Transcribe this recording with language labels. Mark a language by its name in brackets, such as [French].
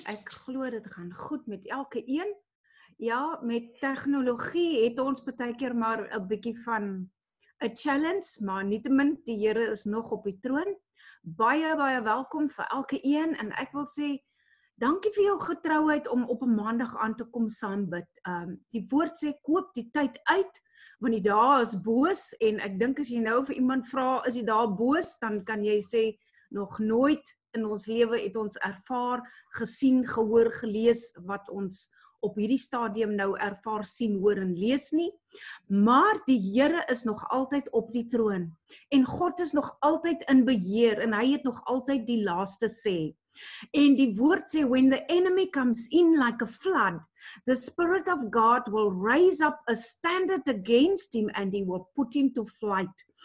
[Afrikaans] Ek glo dit gaan goed met elke een. Ja, met tegnologie het ons baie keer maar 'n bietjie van 'n challenge, maar nietemin, die Here is nog op die troon. Baie welkom vir elke een en ek wil sê, dankie vir jou getrouheid om op 'n maandag aan te kom saam bid. Die woord sê, koop die tyd uit. Want die dae is boos en ek dink as jy nou vir iemand vra, is die dae boos, dan kan jy sê, nog nooit in ons lewe het ons ervaar, gesien, gehoor, gelees, wat ons op hierdie stadium nou ervaar, sien, hoor en lees nie. Maar die Here is nog altyd op die troon en God is nog altyd in beheer en hy het nog altyd die laaste sê. [English] En die woord sê, when the enemy comes in like a flood, the Spirit of God will raise up a standard against him and he will put him to flight.